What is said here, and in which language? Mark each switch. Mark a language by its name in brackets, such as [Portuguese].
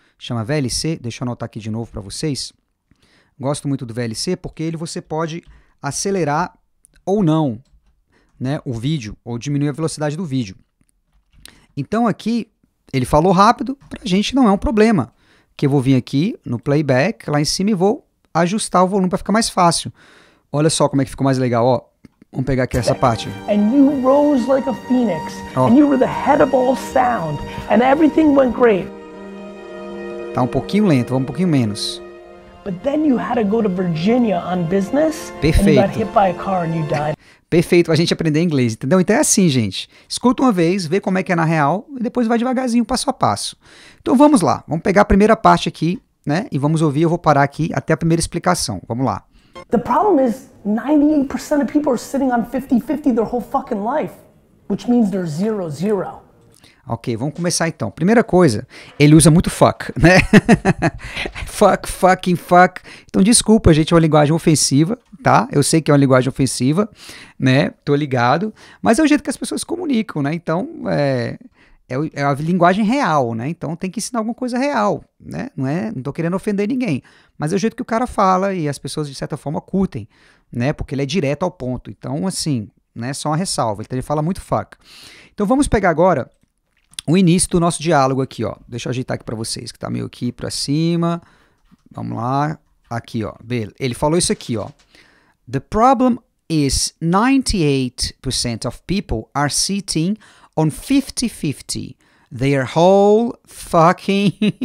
[Portuguese] Chama VLC, deixa eu anotar aqui de novo para vocês. Gosto muito do VLC porque ele você pode acelerar ou não, né, o vídeo, ou diminuir a velocidade do vídeo. Então aqui, ele falou rápido, pra gente não é um problema. Que eu vou vir aqui no playback, lá em cima, e vou ajustar o volume para ficar mais fácil. Olha só como é que ficou mais legal, ó. Vamos pegar aqui essa parte. [English] And you rose like a phoenix, ó. And you were the head of all sound, and everything went great. [Portuguese] Tá um pouquinho lento, vamos um pouquinho menos. [English] But then you had to go to Virginia on business. [Portuguese] Perfeito. [English] And you got hit by a car and you died. [Portuguese] Perfeito, a gente aprender inglês, entendeu? Então é assim, gente. Escuta uma vez, vê como é que é na real e depois vai devagarzinho, passo a passo. Então vamos lá, vamos pegar a primeira parte aqui, né? E vamos ouvir, eu vou parar aqui até a primeira explicação. Vamos lá. [English] The problem is 98% of people are sitting on 50-50 their whole fucking life, which means they're 0-0. [Portuguese] Ok, vamos começar então. Primeira coisa, ele usa muito fuck, né? [English] Fuck, fucking, fuck. [Portuguese] Então, desculpa, gente, é uma linguagem ofensiva, tá? Eu sei que é uma linguagem ofensiva, né? Tô ligado. Mas é o jeito que as pessoas comunicam, né? Então, é a linguagem real, né? Então, tem que ensinar alguma coisa real, né? Não é, não tô querendo ofender ninguém. Mas é o jeito que o cara fala e as pessoas, de certa forma, curtem, né? Porque ele é direto ao ponto. Então, assim, né? Só uma ressalva. Então, ele fala muito fuck. Então, vamos pegar agora o início do nosso diálogo aqui, ó. Deixa eu ajeitar aqui pra vocês, que tá meio aqui pra cima. Vamos lá. Aqui, ó. Beleza. Ele falou isso aqui, ó. [English] The problem is 98% of people are sitting on 50-50 their whole fucking...